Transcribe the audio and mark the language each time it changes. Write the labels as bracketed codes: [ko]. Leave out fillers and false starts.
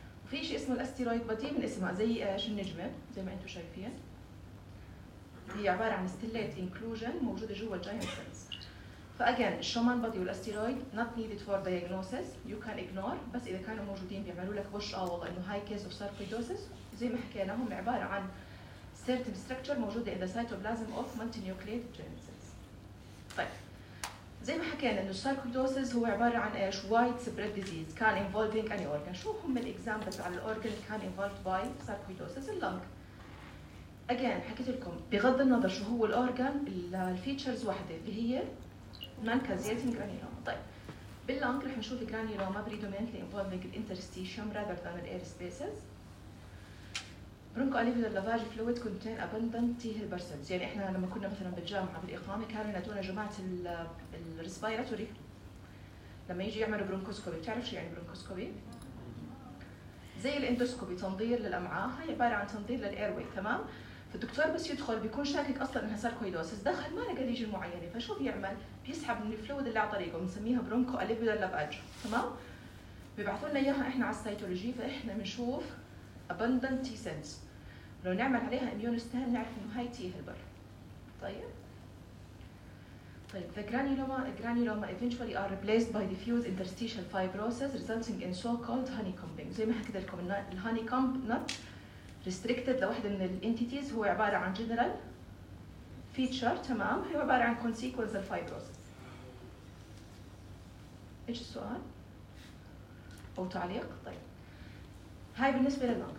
[ar] في شيء اسمه الاستيرويد بودي من اسمها زي ايش النجمة زي ما انتو شايفين، هي عبارة عن ستيلات انكلوجن موجودة جوا الجيانت سيلز. فأجان الشومان بودي والاستيرويد [en] not needed for diagnosis you can ignore، [ar] بس اذا كانوا موجودين بيعملوا لك وش والله انه هاي كيس اوف ساركويدوسز. زي ما حكينا هم عبارة عن [en] certain structure موجودة in the cytoplasm of multinucleated giant cells. [ar] طيب زي ما حكينا انه sarcoidosis هو عبارة عن ايش؟ widespread disease كان [en] involving any organ. [ar] شو هم الاكزامبلز على الاورجن كان involved by sarcoidosis؟ اللونج. again حكيت لكم بغض النظر شو هو الاورجن الفيتشرز واحدة اللي هي non-caseating granuloma. طيب باللونج رح نشوف [en] granuloma predominantly involving the interstitium rather than the air spaces. Bronchoalveolar lavage fluid contain abundant T helper cells, [ar] يعني إحنا لما كنا مثلا بالجامعة بالإقامة كانوا ينادونا جماعة الريسبيراتوري لما يجي يعملوا برونكوسكوبي. بتعرف شو يعني برونكوسكوبي؟ زي الإندوسكوبي، تنظير للأمعاء، هي عبارة عن تنظير للإيروي. تمام، فالدكتور بس يدخل بيكون شاكك أصلا إنها ساركويدوسس، دخل ما لقى ليجن معينة، فشو بيعمل؟ بيسحب من الفلويد اللي على طريقه، بنسميها برونكو أليفيلر لافاج. تمام، بيبعثوا لنا إياها إحنا على السيتولوجي، فإحنا بنشوف [en] abundant T cells. [ar] لو نعمل عليها immune stain نعرف إنه هاي T helper. [en] طيب the granuloma eventually are replaced by diffuse interstitial fibrosis resulting in so-called honeycombing. [ar] زي ما حكيت لكم ال honeycomb not restricted لوحدة من ال entities، هو عبارة عن general feature. تمام، هو عبارة عن [en] consequence of fibrosis. [ar] إيش السؤال أو تعليق؟ طيب هاي بالنسبة للنق.